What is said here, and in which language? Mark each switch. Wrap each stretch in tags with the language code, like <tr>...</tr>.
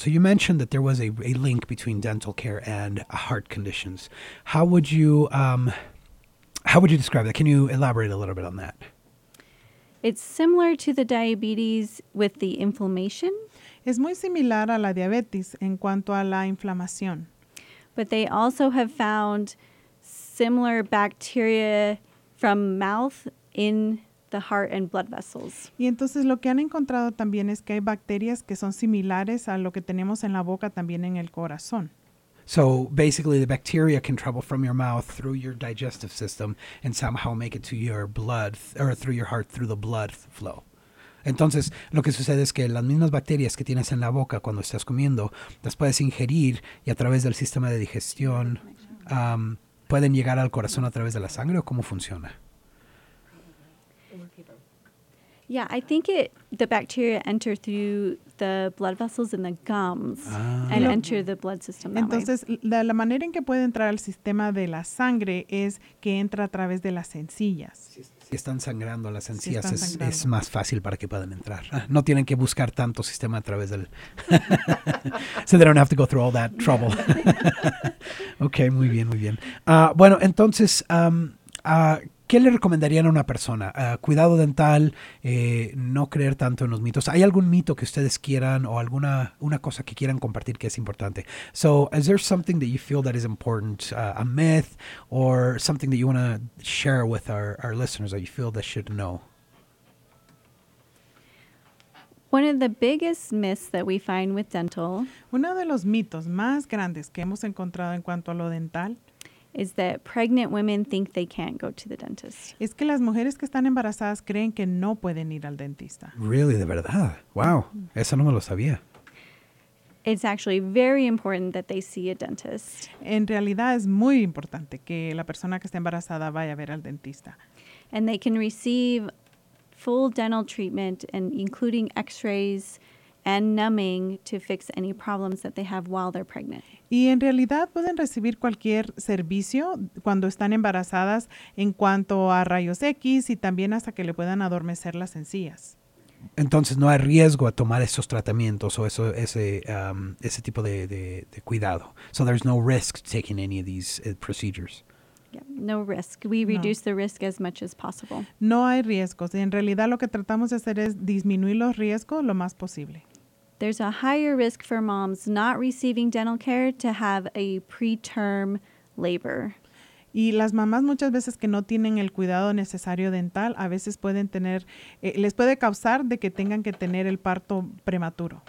<en>So you mentioned that there was a link between dental care and heart conditions. How would you describe that? Can you elaborate a little bit on that? It's similar to the diabetes with the inflammation.</en> <es>Es muy similar a la diabetes en cuanto a la inflamación.</es> <en>But they also have found similar bacteria from mouth in the heart and blood vessels.</en> <es>Y entonces lo que han encontrado también es que hay bacterias que son similares a lo que tenemos en la boca también en el corazón.</es> <en>So basically the bacteria can travel from your mouth through your digestive system and somehow make it to your blood or through your heart through the blood flow.</en> <es>Entonces, lo que sucede es que las mismas bacterias que tienes en la boca cuando estás comiendo, las puedes ingerir y a través del sistema de digestión pueden llegar al corazón a través de la sangre, ¿o cómo funciona?</es> <en>Yeah, I think the bacteria enter through the blood vessels in the gums and enter the blood system that</en> <es>entonces,</es> <en>way.</en> <es>Entonces, la manera en que puede entrar al sistema de la sangre es que entra a través de las encías. Si están sangrando las encías, si sangrando. Es más fácil para que puedan entrar. No tienen que buscar tanto sistema a través del...</es> <en>So they don't have to go through all that trouble.</en> <es>Okay, muy bien, muy bien. Bueno, entonces... ¿Qué le recomendarían a una persona? Cuidado dental, no creer tanto en los mitos. ¿Hay algún mito que ustedes quieran o alguna una cosa que quieran compartir que es importante?</es> <en>So, is there something that you feel that is important, a myth or something that you want to share with our listeners that you feel they should know? One of the biggest myths that we find with dental.</en> <es>Uno de los mitos más grandes que hemos encontrado en cuanto a lo dental.</es> <en>Is that pregnant women think they can't go to the dentist.</en> <es>Es que las mujeres que están embarazadas creen que no pueden ir al dentista.</es> <en>Really,</en> <es>de verdad. Wow, eso no me lo sabía.</es> <en>It's actually very important that they see a dentist.</en> <es>En realidad es muy importante que la persona que está embarazada vaya a ver al dentista.</es> <en>And they can receive full dental treatment and including x-rays and numbing to fix any problems that they have while they're pregnant.</en> <es>Y en realidad pueden recibir cualquier servicio cuando están embarazadas en cuanto a rayos X y también hasta que le puedan adormecer las encías. Entonces no hay riesgo a tomar esos tratamientos o eso, ese tipo de cuidado.</es> <en>So there's no risk taking any of these procedures. Yeah, no risk. We reduce the risk as much as possible.</en> <es>No hay riesgos. En realidad lo que tratamos de hacer es disminuir los riesgos lo más posible.</es> <en>There's a higher risk for moms not receiving dental care to have a preterm labor.</en> <es>Y las mamás muchas veces que no tienen el cuidado necesario dental, a veces pueden tener, les puede causar de que tengan que tener el parto prematuro.</es>